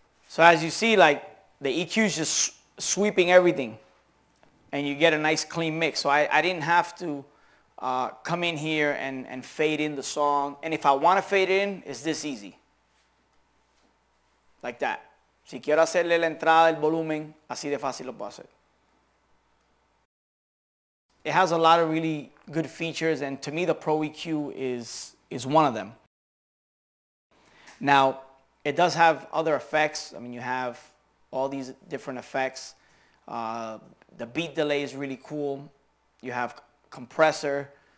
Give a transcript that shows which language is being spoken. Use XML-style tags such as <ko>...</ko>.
<en>So as you see, like the EQ is just sweeping everything and you get a nice clean mix. So I didn't have to come in here and fade in the song. And if I want to fade in, it's this easy. Like that.</en> <es>Si quiero hacerle la entrada del volumen, así de fácil lo puedo hacer.</es> <en>It has a lot of really good features, and to me the Pro EQ is one of them. Now, it does have other effects. I mean, you have all these different effects. The beat delay is really cool. You have compressor.</en>